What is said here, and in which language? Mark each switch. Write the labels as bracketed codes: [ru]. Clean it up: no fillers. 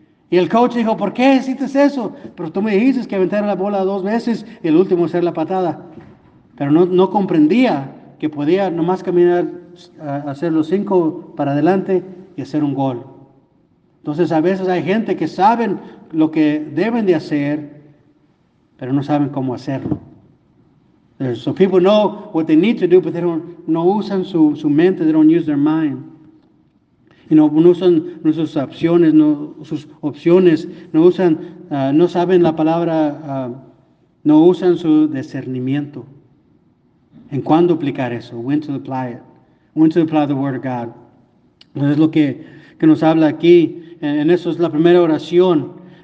[es] Y el coach dijo, ¿por qué hiciste eso? Pero tú me dijiste que aventara la bola 2 veces y el último hacer la patada. Pero no comprendía que podía nomás caminar, hacer los 5 para adelante y hacer un gol. Entonces a veces hay gente que saben lo que deben de hacer, pero no saben cómo hacerlo. [en] So people know what they need to do, but they don't, [es] no usan su mente, [en] they don't use their mind. [es] No usan sus opciones, no saben la palabra, no usan su discernimiento. ¿En cuándo aplicar eso? [en] When to apply it. When to apply the word of God. [es] Es lo que nos habla aquí, en eso es la primera oración.